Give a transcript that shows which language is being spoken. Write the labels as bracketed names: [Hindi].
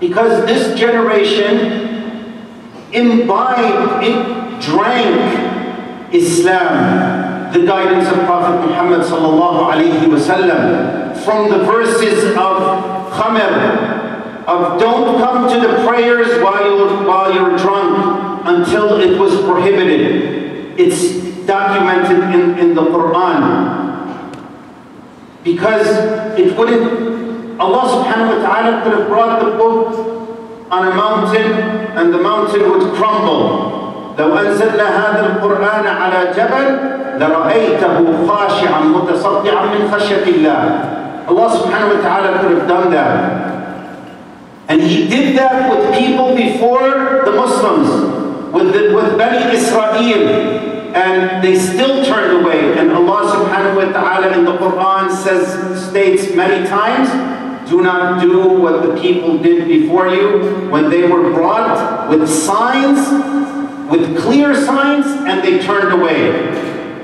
[English] Because this generation imbibed, it drank Islam, the guidance of Prophet Muhammad sallallahu alayhi wa sallam, from the verses of Khamr, of don't come to the prayers while you're drunk until it was prohibited. It's documented in the Quran. Because it wouldn't, Allah subhanahu wa ta'ala could have brought the book on a mountain and the mountain would crumble. [Arabic] لو أنزلنا هذا القرآن على جبل لرأيته خاشعا متصدعا من خشية الله. [English] Allah subhanahu wa ta'ala could have done that. And He did that with people before the Muslims, with Bani Israel. And they still turned away. And Allah subhanahu wa ta'ala in the Quran states many times, do not do what the people did before you when they were brought with signs, with clear signs, and they turned away.